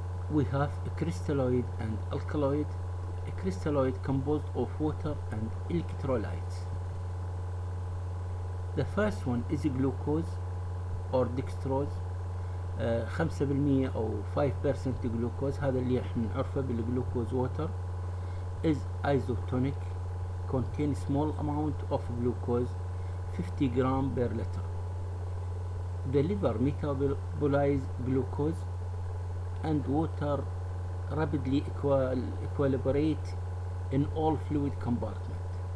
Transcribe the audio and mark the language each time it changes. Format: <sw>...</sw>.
<en>We have a crystalloid and alkaloid. A crystalloid composed of water and electrolytes. The first one is glucose or dextrose.</en> <ar>5% أو 5% glucose، هذا اللي احنا نعرفه بالglucose water.</ar> <en>Is isotonic. Contains small amount of glucose. 50 gram per liter. The liver metabolizes glucose and water rapidly equilibrate in all fluid compartment.</en>